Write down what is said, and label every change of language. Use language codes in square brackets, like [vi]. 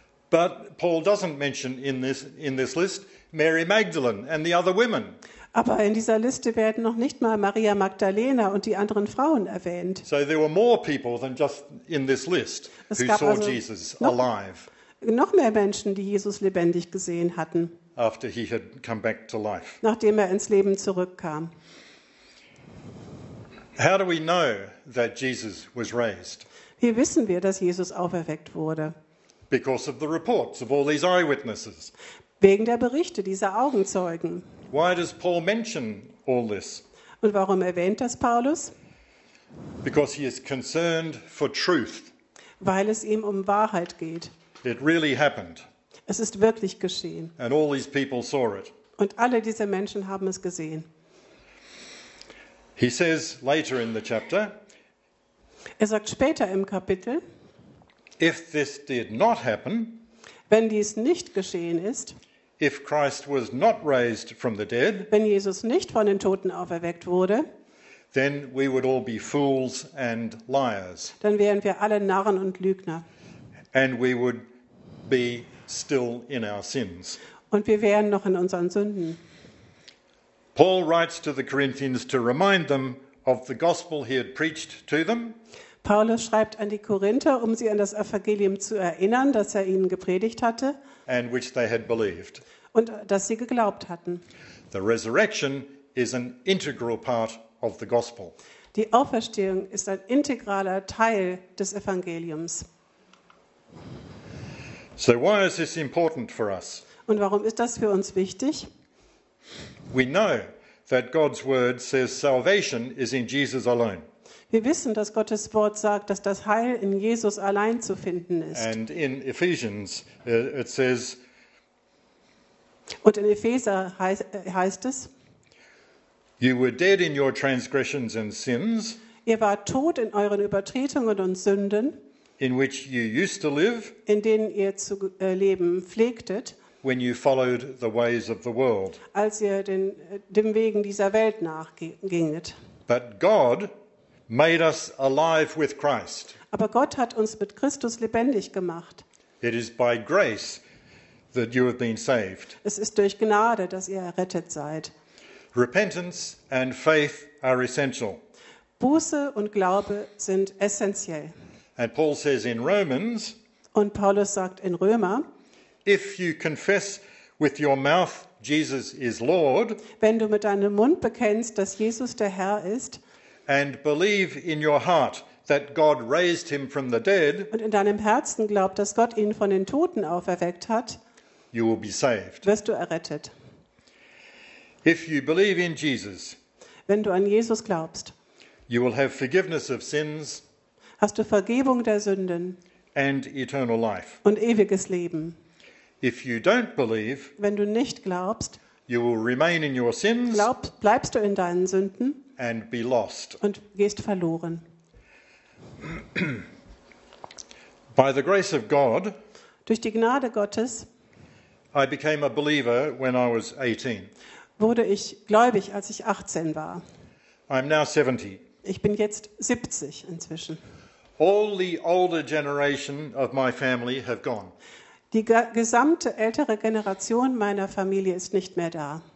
[en] But Paul doesn't mention in this list Mary Magdalene and the other women. [de] Aber in dieser Liste werden noch nicht mal Maria Magdalena und die anderen Frauen erwähnt. [en] So there were more people than just in this list who saw [de] also [en] Jesus alive. [de] Noch mehr Menschen, die Jesus lebendig gesehen hatten. [en] After he had come back to life. [de] Nachdem er ins Leben zurückkam. [en] How do we know that Jesus was raised? [de] Wie wissen wir, dass Jesus auferweckt wurde? [en] Because of the reports of all these eyewitnesses. [de] Wegen der Berichte dieser Augenzeugen. [en] Why does Paul mention all this? [de] Und warum erwähnt das Paulus? [en] Because he is concerned for truth. [de] Weil es ihm um Wahrheit geht. [en] It really happened. [de] Es ist wirklich geschehen. [en] And all these people saw it. [de] Und alle diese Menschen haben es gesehen. [en] He says later in the chapter. [de] Er sagt später im Kapitel. [en] If this did not happen. [de] Wenn dies nicht geschehen ist. [en] If Christ was not raised from the dead, [de] wenn Jesus nicht von den Toten auferweckt wurde, [en] then we would all be fools and liars. [de] Dann wären wir alle Narren und Lügner. [en] And we would be still in our sins. [de] Und wir wären noch in unseren Sünden. [en] Paul writes to the Corinthians to remind them of the gospel he had preached to them. [de] Paulus schreibt an die Korinther, um sie an das Evangelium zu erinnern, das er ihnen gepredigt hatte. [en] And which they had believed. [de] Und das sie geglaubt hatten. [en] The resurrection is an integral part of the gospel. [de] Die Auferstehung ist ein integraler Teil des Evangeliums. [en] So why is this important for us? [de] Und warum ist das für uns wichtig? [en] We know that God's word says salvation is in Jesus alone. [de] Wir wissen, dass Gottes Wort sagt, dass das Heil in Jesus allein zu finden ist. [en] And in Ephesians it says. [de] Und in Epheser heißt es. [en] You were dead in your transgressions and sins. [de] Ihr wart tot in euren Übertretungen und Sünden. [en] In which you used to live. [de] In denen ihr zu leben pflegtet. [en] When you followed the ways of the world. [de] Als ihr dem Wegen dieser Welt nachginget. [en] But God made us alive with Christ. [de] Aber Gott hat uns mit Christus lebendig gemacht. [en] It is by grace that you have been saved. [de] Es ist durch Gnade, dass ihr errettet seid. [en] Repentance and faith are essential. [de] Buße und Glaube sind essentiell. [en] And Paul says in Romans. [de] Und Paulus sagt in Römer. [en] If you confess with your mouth Jesus is Lord. [de] Wenn du mit deinem Mund bekennst, dass Jesus der Herr ist. [en] And believe in your heart that God raised him from the dead. [de] Und in deinem Herzen glaubt, dass Gott ihn von den Toten auferweckt hat. [en] You will be saved. [de] Wirst du errettet. [en] If you believe in Jesus. [de] Wenn du an Jesus glaubst. [en] You will have forgiveness of sins. [de] Hast du Vergebung der Sünden. [en] And eternal life. [de] Und ewiges Leben. [en] If you don't believe. [de] Wenn du nicht glaubst. [en] You will remain in your sins. [de] Bleibst du in deinen Sünden. [en] And be lost. [de] Und gehst verloren. [en] By the grace of God. [de] Durch die Gnade Gottes. [en] I became a believer when I was 18. [de] Wurde ich gläubig, als ich 18 war. [en] I'm now 70. [de] Ich bin jetzt 70 inzwischen. [en] All the older generation of my family have gone. [de] Die gesamte ältere Generation meiner Familie ist nicht mehr da.